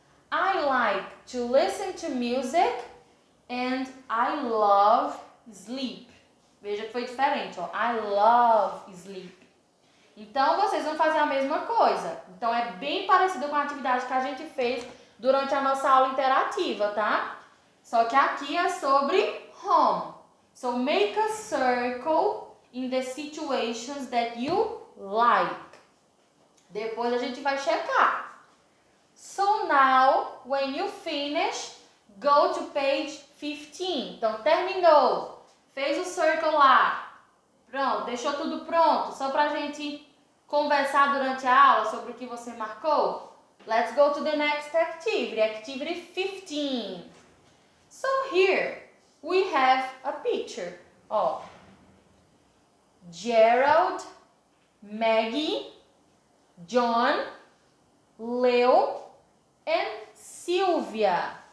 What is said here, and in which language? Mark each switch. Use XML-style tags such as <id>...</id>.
<en>I like to listen to music. And I love sleep.</en> <pt>Veja que foi diferente, ó.</pt> <en>I love sleep.</en> <pt>Então, vocês vão fazer a mesma coisa. Então, é bem parecido com a atividade que a gente fez durante a nossa aula interativa, tá? Só que aqui é sobre home.</pt> <en>So, make a circle in the situations that you like.</en> <pt>Depois a gente vai checar.</pt> <en>So, now, when you finish, go to page 15.</en> <pt>Então, terminou. Fez o circle lá. Pronto, deixou tudo pronto. Só pra gente conversar durante a aula sobre o que você marcou.</pt> <en>Let's go to the next activity, activity 15. So here, we have a picture of Gerald, Maggie, John, Leo, and Sylvia.</en>